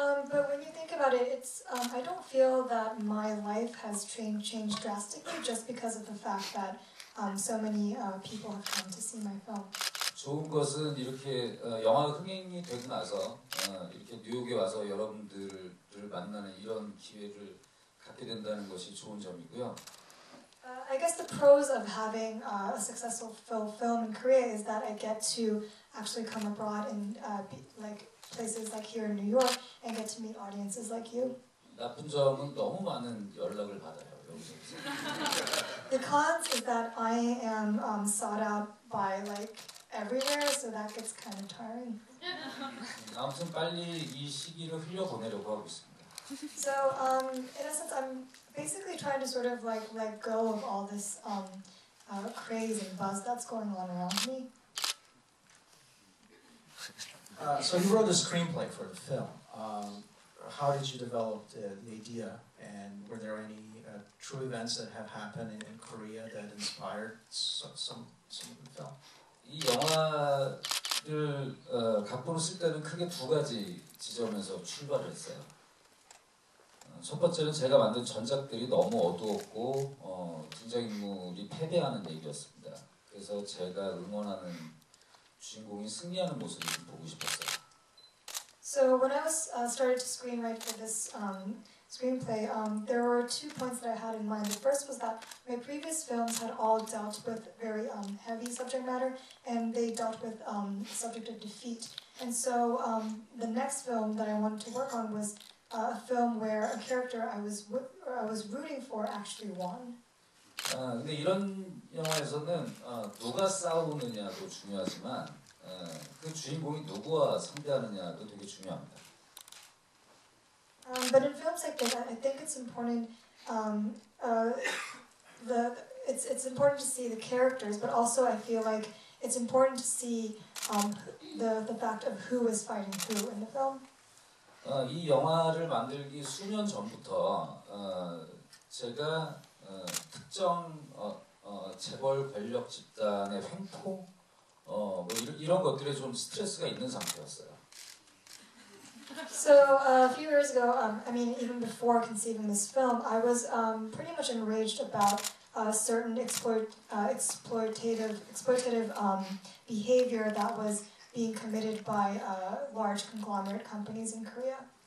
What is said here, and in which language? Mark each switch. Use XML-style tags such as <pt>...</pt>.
<en>But when you think about it, it's I don't feel that my life has changed drastically just because of the fact that so many people have come to see my film.</en> <ko>좋은 것은 이렇게 영화 흥행이 되고 나서 이렇게 뉴욕에 와서 여러분들을 만나는 이런 기회를 갖게 된다는 것이 좋은 점이고요.</ko> <en>I guess the pros of having a successful film in Korea is that I get to actually come abroad in like places like here in New York and get to meet audiences like you.</en> <ko>나쁜 점은 너무 많은 연락을 받아요.</ko> <en>The cons is that I am sought out by like everywhere, so that gets kind of tiring.</en> <ko>아무튼 빨리 이 시기를 흘려보내려고 하고 있습니다.</ko> <en>So in essence, I'm basically trying to sort of like let go of all this craze and buzz that's going on around me. So you wrote the screenplay for the film. How did you develop the idea? And were there any true events that have happened in Korea that inspired some of the film?</en> <ko>이 영화를 각본을 쓸 때는 크게 두 가지 지점에서 출발을 했어요. 첫 번째는 제가 만든 전작들이 너무 어두웠고 등장인물이 패배하는 얘기였습니다. 그래서 제가 응원하는 주인공이 승리하는 모습을 좀 보고 싶었어요.</ko> <en>So when I was started to screenwrite for this screenplay, there were two points that I had in mind. The first was that my previous films had all dealt with very heavy subject matter, and they dealt with the subject of defeat. And so the next film that I wanted to work on was a film where a character I was rooting for actually won.</en> <ko>근데 이런 영화에서는 누가 싸우느냐도 중요하지만. 그 주인공이 누구와 상대하느냐도 되게 중요합니다.</ko> <en>But in films like that, I think it's important. It's important to see the characters, but also I feel like it's important to see the fact of who is fighting who in the film.</en> <ko>이 영화를 만들기 수년 전부터 제가 특정 재벌 권력 집단의 횡포 뭐 이런 것들에 좀 스트레스가 있는 상태였어요.</ko> <en>So a few years ago, I mean, even before conceiving this film, I was pretty much enraged about certain exploitative behavior that was being committed by large conglomerate companies in Korea.</en>